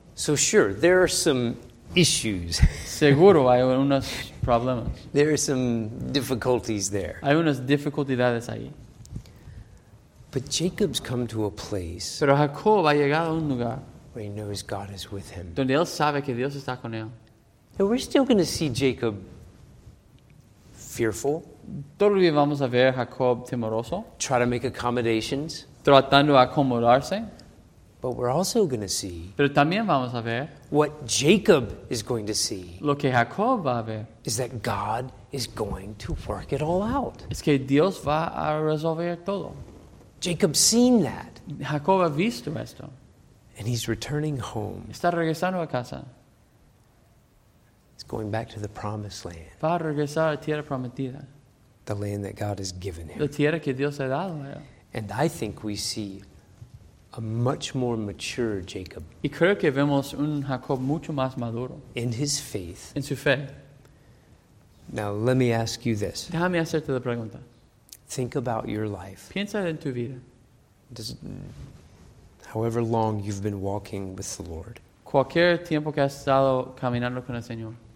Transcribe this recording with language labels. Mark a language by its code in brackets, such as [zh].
[en] So sure, there are some issues. [es] Seguro hay unos problemas. [en] There are some difficulties there. [es] Hay unas dificultades ahí. [en] But Jacob's come to a place. [es] Pero Jacob ha llegado a un lugar [en] where he knows God is with him. [es] Donde él sabe que Dios está con él. [en] And we're still going to see Jacob fearful. [es] Todavía vamos a ver Jacob temeroso. [en] Try to make accommodations. [es] Tratando de acomodarse. [en] But we're also going to see. [es] Pero también vamos a ver. [en] What Jacob is going to see. [es] Lo que Jacob va a ver. [en] Is that God is going to work it all out. [es] Es que Dios va a resolver todo. [en] Jacob's seen that. [es] Jacob ha visto esto. [en] And he's returning home. [es] Está regresando a casa. [en] He's going back to the promised land. [es] Va a regresar a tierra prometida. [en] The land that God has given him. [es] La tierra que Dios ha dado a él. [en] And I think we see a much more mature Jacob. [es] Y creo que vemos un Jacob mucho más maduro. [en] In his faith. [es] En su fe. [en] Now let me ask you this. [es] Déjame hacerte la pregunta. [en] Think about your life. [es] Piensa en tu vida. [en] However long you've been walking with the Lord. [es] cualquier tiempo que has estado caminando con el Señor.